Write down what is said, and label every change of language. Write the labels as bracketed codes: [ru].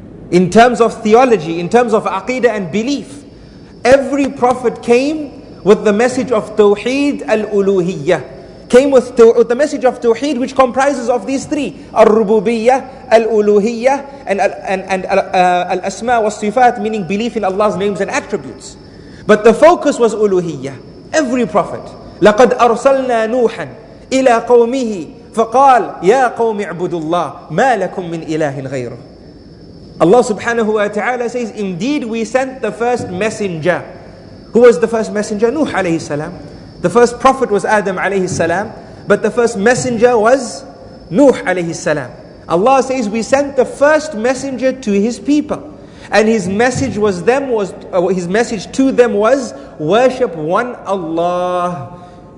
[en] In terms of theology, in terms of aqidah and belief, every prophet came with the message of tawheed al-uluhiyyah. Came with the message of tawheed, which comprises of these three: al-rububiyyah, al-uluhiyyah, and al-asma wa-sifat, meaning belief in Allah's names and attributes. But the focus was uluhiyyah. Every prophet, [ar] لَقَدْ أَرْسَلْنَا نُوحًا إِلَىٰ قَوْمِهِ فَقَالَ يَا قَوْمِ اعْبُدُوا اللَّهَ مَا لَكُمْ مِنْ إِلَٰهٍ غَيْرُهُ. [en] Allah subhanahu wa ta'ala says, indeed we sent the first messenger. Who was the first messenger? Nuh alayhi salam. The first prophet was Adam alayhi salam. But the first messenger was Nuh alayhi salam. Allah says, we sent the first messenger to his people. And his message to them was, worship one Allah.